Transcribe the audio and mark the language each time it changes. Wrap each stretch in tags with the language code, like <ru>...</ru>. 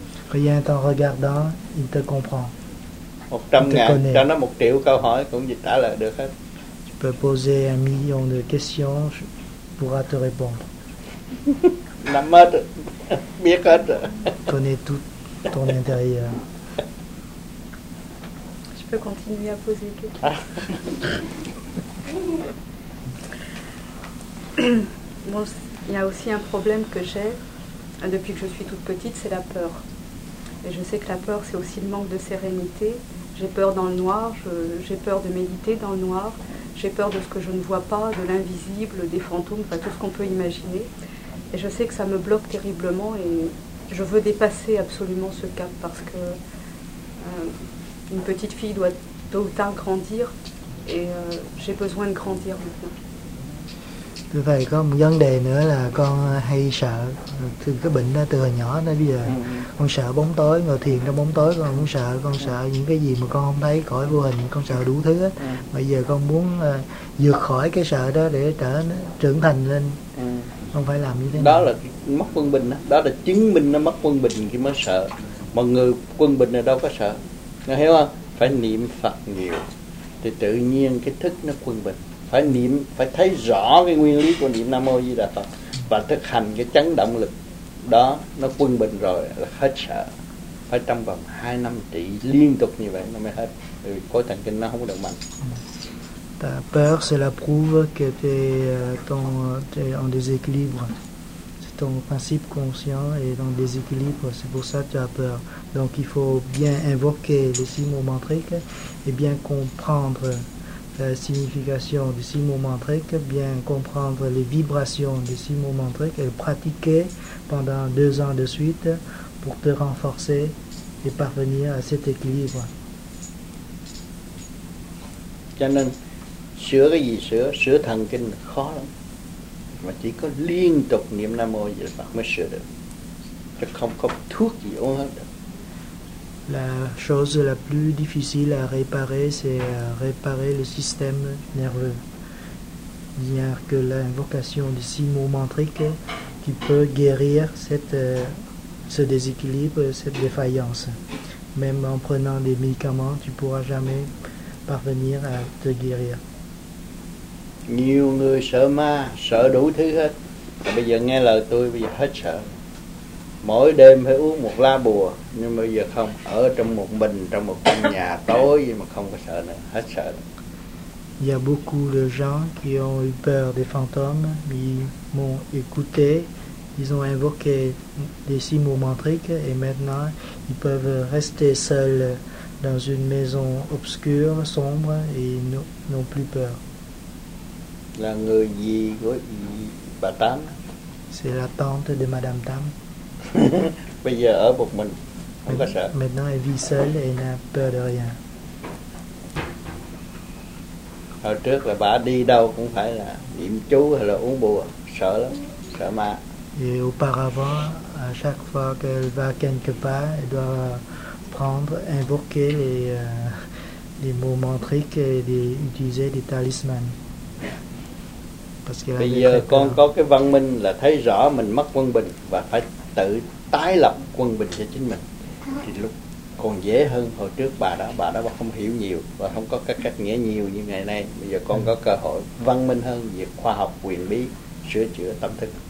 <fr>Rien qu'en regardant, il te comprend.</fr> <vi>100 000 cho nó 1 triệu câu hỏi cũng dịch trả lời được hết.</vi> <fr>Tu peux poser 1 million de questions, je pourrai te répondre.</fr> <vi>Nắm hết, biết hết.</vi> <fr>Connais tout ton intérieur. Je peux continuer à poser quelque chose. Bon, il y a aussi un problème que j'ai depuis que je suis toute petite, c'est la peur. Et je sais que la peur, c'est aussi le manque de sérénité. J'ai peur dans le noir, j'ai peur de méditer dans le noir, j'ai peur de ce que je ne vois pas, de l'invisible, des fantômes, enfin tout ce qu'on peut imaginer. Et je sais que ça me bloque terriblement et je veux dépasser absolument ce cap parce que une petite fille doit tôt ou tard grandir et j'ai besoin de grandir maintenant.</fr> <vi>Tôi phải có một vấn đề nữa là con hay sợ từ cái bệnh đó từ hồi nhỏ đến bây giờ. Con sợ bóng tối, ngồi thiền trong bóng tối con cũng sợ, con sợ những cái gì mà con không thấy, khỏi vô hình, con sợ đủ thứ. Bây giờ con muốn vượt khỏi cái sợ đó để trưởng thành lên, không phải làm như thế nào. Đó là mất quân bình đó, đó là chứng minh nó mất quân bình khi mới sợ. Mà người quân bình là đâu có sợ, nghe hiểu không? Phải niệm Phật nhiều thì tự nhiên cái thức nó quân bình. Phải niệm, phải thấy rõ cái nguyên lý của niệm Nam Mô Di Đà Phật và thực hành cái chấn động lực đó, nó quân bình rồi là hết sợ. Phải trong vòng 2 năm trị liên tục như vậy nó mới hết, vì khối thần kinh nó không có được mạnh.</vi> <fr>Ta peur, c'est la prouve que t'es en déséquilibre. C'est ton principe conscient et en déséquilibre, c'est pour ça que tu as peur. Donc il faut bien invoquer les six mots mantriques et bien comprendre la signification des six mots mantriques, bien comprendre les vibrations des six mots mantriques et le pratiquer pendant 2 ans de suite pour te renforcer et parvenir à cet équilibre.</fr> <vi>Cho nên, sửa cái gì sửa, sửa thần kinh khó lắm. Mà chỉ có liên tục niệm Nam Mô Di Đà Phật mới sửa được. Chứ không có thuốc gì uống hết được.</vi> <fr>La chose la plus difficile à réparer, c'est à réparer le système nerveux. Il n'y a que l'invocation des six mots mantriques qui peut guérir ce déséquilibre, cette défaillance. Même en prenant des médicaments, tu ne pourras jamais parvenir à te guérir.</fr> <vi>Nhiều người sợ ma, sợ đủ thứ hết. Bây giờ nghe lời tôi, bây giờ hết sợ. mỗi đêm phải uống một lá bùa, nhưng bây giờ không, ở trong một mình, trong một căn nhà tối gì mà không có sợ nữa, hết sợ.</vi> <fr>Il y a beaucoup de gens qui ont eu peur des fantômes, ils m'ont écouté, ils ont invoqué des signes mantriques et maintenant ils peuvent rester seuls dans une maison obscure, sombre et n'ont plus peur.</fr> <vi>La người gì của bà Tám?</vi> <fr>C'est la tante de Madame Tam.</fr> <vi>Bây giờ ở một mình, không có sợ.</vi> <fr>Maintenant elle vit seule et n'a peur de rien.</fr> <vi>Hồi trước là bà đi đâu cũng phải là niệm chú hay là uống bùa, sợ lắm, sợ ma.</vi> <fr>Et auparavant, à chaque fois qu'elle va quelque part, elle doit prendre, invoquer les mots mantriques et utiliser des talismans. Parce qu'elle avait très peur.</fr> <vi>Bây giờ con có cái văn minh là thấy rõ mình mất quân bình và phải tự tái lập quân bình cho chính mình. Thì lúc còn dễ hơn hồi trước bà đó không hiểu nhiều và không có các cách nghĩa nhiều như ngày nay. Bây giờ con có cơ hội văn minh hơn, việc khoa học quyền bí sửa chữa tâm thức.</vi>